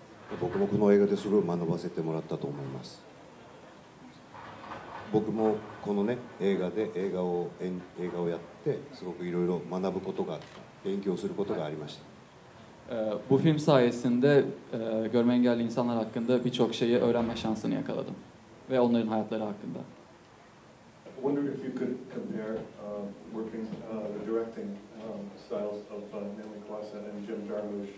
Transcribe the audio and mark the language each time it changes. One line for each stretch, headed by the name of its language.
Japanese: 僕もこの映画ですごい学ばせてもらったと思います。僕もこのね映画をやってすごくいろいろ学ぶことが勉強することがありました。
Turkish: Bu film sayesinde görme engelli insanlar hakkında birçok şeyi öğrenme şansını yakaladım ve onların hayatları hakkında.
English: I wondered if you could compare working the directing styles of Naomi Klassen and Jim Jarmusch.